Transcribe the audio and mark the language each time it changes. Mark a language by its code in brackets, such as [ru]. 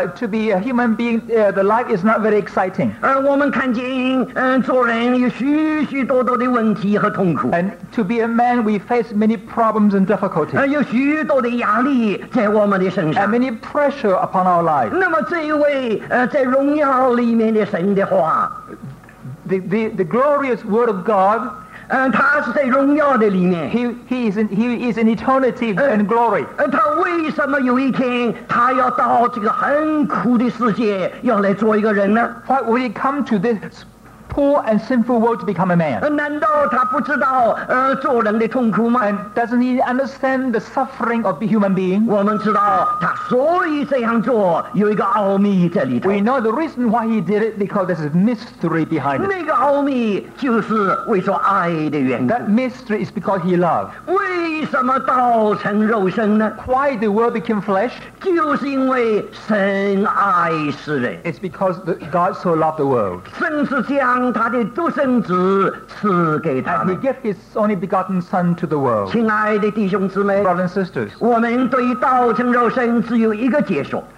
[en] To be a human being, the life is not very exciting. [zh] 我们看见做人有许许多多的问题和痛苦。 [en] And to be a man, we face many problems and difficulties. [zh] 有许多的压力在我们的身上。 [en] And many pressure upon our lives. [zh] 那么这一位在荣耀 [en] The glorious Word of God, He is in eternity and glory. Why would he come to this poor and sinful world to become a man? [zh] 难道他不知道, 做人的痛苦吗? [en] And doesn't he understand the suffering of the human being? [zh] 我们知道他所以这样做有一个奥秘在里头。 [en] We know the reason why he did it because there's a mystery behind it. [zh] 那个奥秘就是为说爱的缘故。 [en] That mystery is because he loved. [zh] 为什么道成肉身呢? [en] Why the world became flesh? [zh] 就是因为神爱世人。 [en] It's because God so loved the world. [zh] 甚至将他的独生子赐给他们。 [en] And he gave his only begotten son to the world. [zh] 亲爱的弟兄姊妹, [en] brothers and sisters, [zh] 我们对道成肉身只有一个解说。